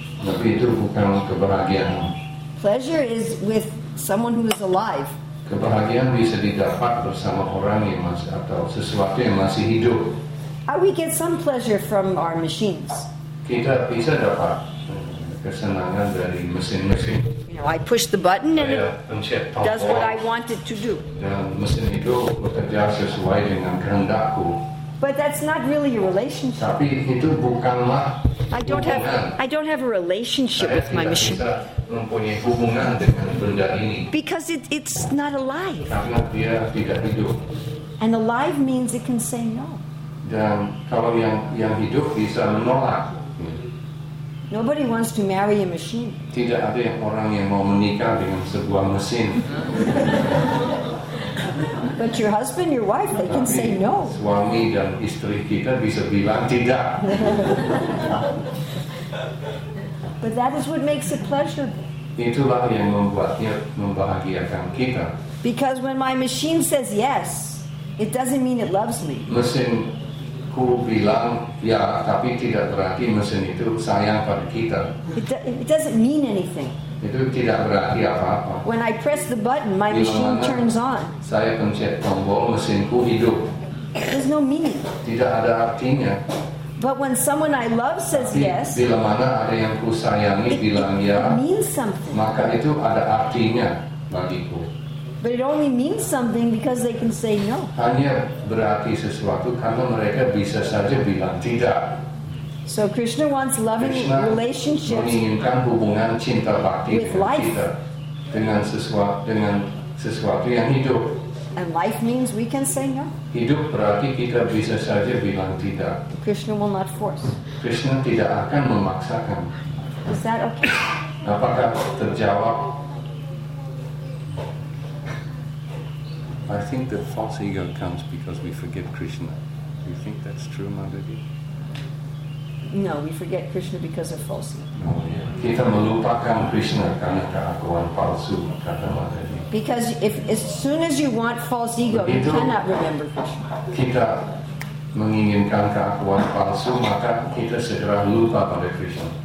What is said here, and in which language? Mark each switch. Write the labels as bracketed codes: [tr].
[id] Tapi itu bukan kebahagiaan. [en] Pleasure is with someone who is alive. [id] Kebahagiaan bisa didapat bersama orang yang masih atau sesuatu yang masih hidup. [en] How we get some pleasure from our machines? [id] Kita bisa dapat kesenangan dari mesin-mesin. [en] You know, I push the button and it does what I want it to do. [id] Mesin itu bekerja sesuai dengan kehendakku. [en] But that's not really a relationship. [id] Tapi itu bukanlah hubungan. [en] I don't have a relationship [id] saya [en] with my machine. [id] Tidak mempunyai hubungan dengan benda ini. [en] Because it's not alive. [id] Karena dia tidak hidup. [en] And alive means it can say no. [id] Dan kalau yang hidup bisa menolak. [en] Nobody wants to marry a machine. [id] Tidak ada orang yang mau menikah dengan sebuah mesin. [en] But your husband, your wife, they can say no. [id] Suami dan istri kita bisa bilang tidak. [en] But that is what makes it pleasurable. [id] Itulah yang membuatnya membahagiakan kita. [en] Because when my machine says yes, it doesn't mean it loves me. [id] Mesin ku bilang ya, tapi tidak berarti mesin itu sayang pada kita. [en] It doesn't mean anything. [id] Itu tidak berarti apa-apa. [en] When I press the button, my machine turns on. [id] Saya pencet tombol, mesinku hidup. [en] There's no meaning. [id] Tidak ada artinya. [en] But when someone I love says yes, [id] bila mana ada yang ku sayangi bilang ya, [en] it means something. [id] Maka itu ada artinya bagiku. [en] But it only means something because they can say no. [id] Hanya berarti sesuatu karena mereka bisa saja bilang tidak. [en] So Krishna wants loving [id] Krishna [en] relationships. [id] Krishna menginginkan hubungan cinta bakti dengan [en] life. [id] Kita dengan sesuatu yang hidup. [en] And life means we can say no. [id] Hidup berarti kita bisa saja bilang tidak. [en] Krishna will not force. [id] Krishna tidak akan memaksakan. [en] Is that okay? [id] Apakah terjawab? [en] I think the false ego comes because we forget Krishna. Do you think that's true, Madhavi? No, we forget Krishna because of false ego. Oh, yeah. [id] Kita melupakan Krishna karena keakuan palsu, kata Madhavi. [en] Because if as soon as you want false ego, [id] begitu, [en] you cannot remember Krishna. [id] Kita menginginkan keakuan palsu, maka kita segera lupa pada Krishna.